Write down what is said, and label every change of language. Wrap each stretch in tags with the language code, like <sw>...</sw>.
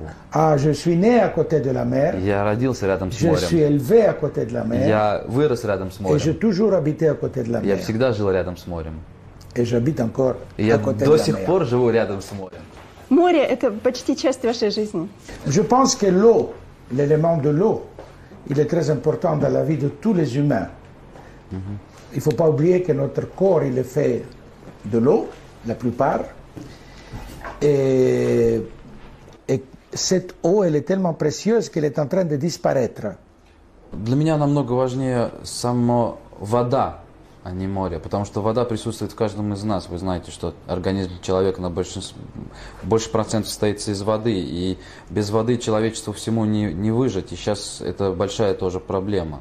<fr>Ah, je suis né à côté de la mer.</fr> <ru>Я родился рядом с</ru> <fr>je</fr> <ru>морем.</ru> <fr>Suis élevé à côté de la mer.</fr> <ru>Я вырос рядом с морем.</ru> <fr>Et je toujours habité à côté de la mer.</fr> <ru>Я всегда жил рядом с морем.</ru> <fr>Et j'habite encore</fr> <ru>И</ru> <fr>à côté</fr> <ru>я до сих пор живу рядом с морем. Море – это почти часть вашей жизни.</ru> <fr>Je pense que l'eau, l'élément de l'eau, il est très important dans la vie de tous les humains. Il faut pas oublier que notre corps, il est fait de l'eau, la plupart. Et cette eau, elle est tellement précieuse qu'elle est en train de disparaître.</fr> <ru>Для меня намного важнее сама вода, а не море, потому что вода присутствует в каждом из нас. Вы знаете, что организм человека на больше процентов состоит из воды, и без воды человечеству всему не выжить. И сейчас это большая тоже проблема.</ru>